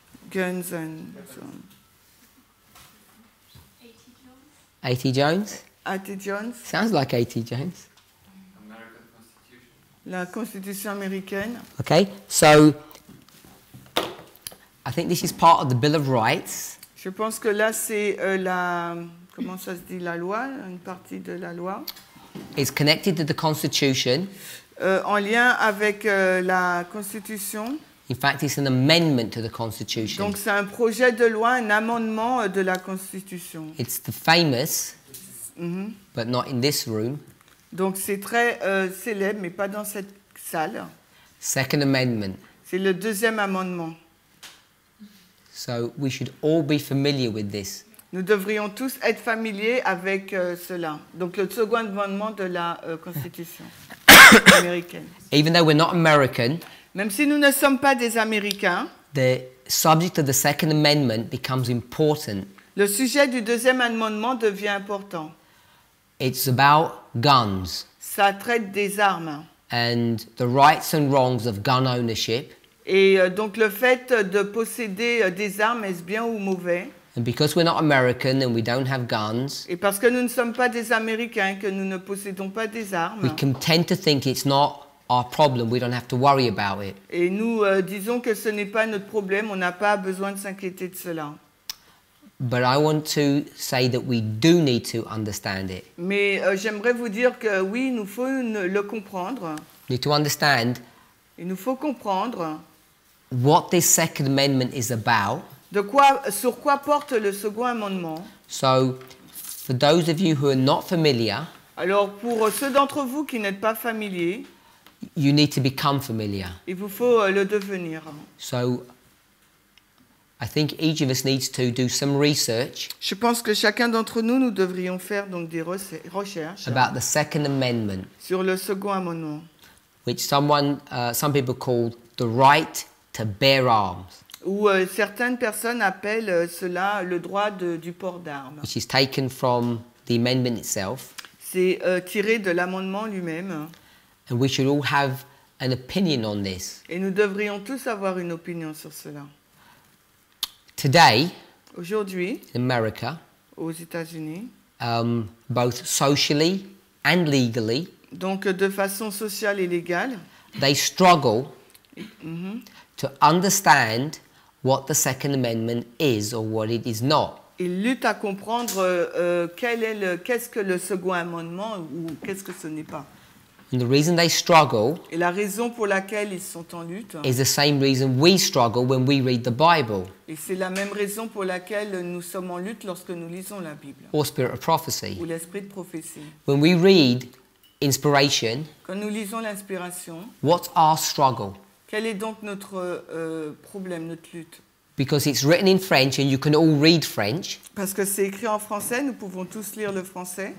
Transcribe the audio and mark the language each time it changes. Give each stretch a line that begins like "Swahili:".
English: Guns and so on. A.T. Jones? A.T. Jones? Sounds like A.T. Jones.
French: La Constitution américaine.
English: Okay, so I think this is part of the Bill of Rights.
French: Je pense que là c'est la comment ça se dit la loi, une partie de la loi.
English: It's connected to the Constitution.
French: En lien avec la Constitution.
English: In fact, it's an amendment to the Constitution.
French: Donc c'est un projet de loi, un amendement de la Constitution.
English: It's the famous, but not in this room.
French: Donc c'est très célèbre, mais pas dans cette salle.
English: Second amendment.
French: C'est le deuxième amendement.
English: So we should all be familiar with this.
French: Nous devrions tous être familiers avec cela. Donc le second amendement de la Constitution américaine.
English: Even though we're not American.
French: Même si nous ne sommes pas des Américains.
English: The subject of the second amendment becomes important.
French: Le sujet du deuxième amendement devient important.
English: It's about guns.
French: Ça traite des armes.
English: And the rights and wrongs of gun ownership.
French: Et donc le fait de posséder des armes, est-ce bien ou mauvais?
English: And because we're not American and we don't have guns.
French: Et parce que nous ne sommes pas des Américains, que nous ne possédons pas des armes.
English: We can tend to think it's not our problem. We don't have to worry about it.
French: Et nous disons que ce n'est pas notre problème. On n'a pas besoin de s'inquiéter de cela.
English: But I want to say that we do need to understand it.
French: Mais j'aimerais vous dire que oui, nous faut le comprendre.
English: Need to understand.
French: Il nous faut comprendre.
English: What this Second Amendment is about.
French: De quoi, sur quoi porte le Second Amendement?
English: So, For those of you who are not familiar,
French: alors pour ceux d'entre vous qui n'êtes pas familiers,
English: you need to become familiar.
French: Il vous faut le devenir.
English: So, I think each of us needs to do some research.
French: Je pense que chacun d'entre nous, nous devrions faire donc des recherches.
English: About the Second Amendment.
French: Sur le Second Amendement.
English: Which some people call the right to bear arms.
French: Où certaines personnes appellent cela le droit du port d'armes.
English: Which is taken from the amendment itself.
French: C'est tiré de l'amendement lui-même.
English: And we should all have an opinion on this.
French: Et nous devrions tous avoir une opinion sur cela.
English: Today,
French: aujourd'hui,
English: in America,
French: aux États-Unis,
English: both socially and legally,
French: donc de façon sociale et légale,
English: they struggle to understand what the Second Amendment is or what it is not.
French: Ils luttent à comprendre qu'est-ce que le Second Amendement ou qu'est-ce que ce n'est pas.
English: And the reason they struggle,
French: et la raison pour laquelle ils sont en lutte,
English: is the same reason we struggle when we read the Bible.
French: Et c'est la même raison pour laquelle nous sommes en lutte lorsque nous lisons la Bible.
English: Or spirit of prophecy.
French: Ou l'esprit de prophétie.
English: When we read inspiration,
French: quand nous lisons l'inspiration,
English: what's our struggle?
French: Quel est donc notre problème, notre lutte?
English: Because it's written in French and you can all read French.
French: Parce que c'est écrit en français, nous pouvons tous lire le français.